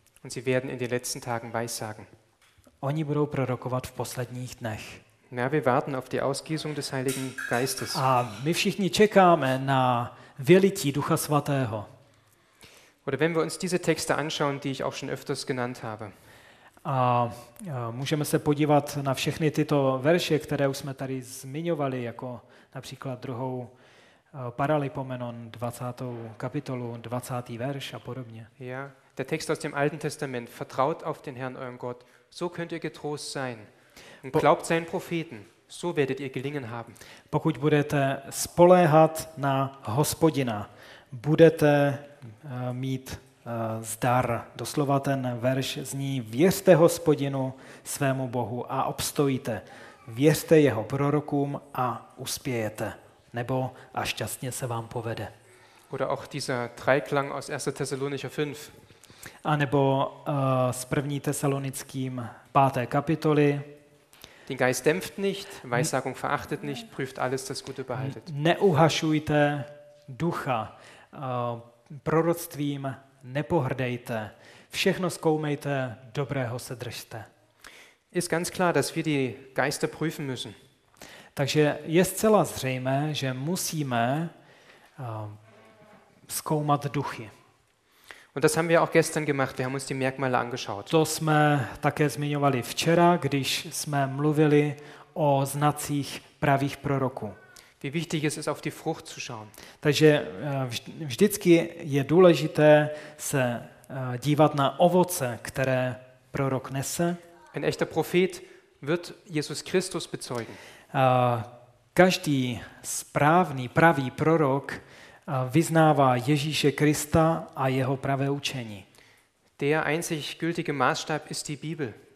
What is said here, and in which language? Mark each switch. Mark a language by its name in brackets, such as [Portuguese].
[German] Und sie werden in den letzten Tagen weissagen. [Czech] Oni budou prorokovat v posledních dnech. [German] Na, wir warten auf die Ausgießung des Heiligen Geistes. [Czech] A my všichni čekáme na vylití Ducha Svatého. [German] Oder wenn wir uns diese Texte anschauen, die ich auch schon öfters genannt habe. [Czech] A můžeme se podívat na všechny tyto verše, které už jsme tady zmiňovali, jako například druhou Paralipomenon 20. kapitolu, 20. verš a podobně. [German] Ja, der Text aus dem Alten Testament, vertraut auf den Herrn euren Gott, so könnt ihr getrost sein. Und glaubt seinen Propheten, so werdet ihr gelingen haben. [Czech] Pokud budete spoléhat na Hospodina, budete mít zdar. Doslova ten verš zní, věřte Hospodinu svému Bohu a obstojíte. Věřte jeho prorokům a uspějete. Nebo a šťastně se vám povede. [German] Oder auch dieser Dreiklang aus 1. Thessalonicher 5. [Czech] A nebo z 1. Thessalonickým 5. kapitoly. [German] Den Geist dämpft nicht, Weissagung verachtet nicht, prüft alles, das Gute behaltet. [Czech] Neuhašujte ducha, proroctvím nepohrdejte, všechno zkoumejte, dobrého se držte. [German] Ist ganz klar, dass wir die Geister prüfen müssen. [Czech] Takže je zcela zřejmé, že musíme zkoumat duchy. [German] Und das haben wir auch gestern gemacht, wir haben uns die Merkmale angeschaut. [Czech] To jsme také zmiňovali včera, když jsme mluvili o znacích pravých proroků. [German] Wie wichtig es ist, auf die Frucht zu schauen. [Czech] Takže vždycky je důležité se dívat na ovoce, které prorok nese. [German] Ein echter Prophet wird Jesus Christus bezeugen. [Czech] Každý správný, pravý prorok vyznává Ježíše Krista a jeho pravé učení. [German] Der einzig gültige Maßstab ist die Bibel.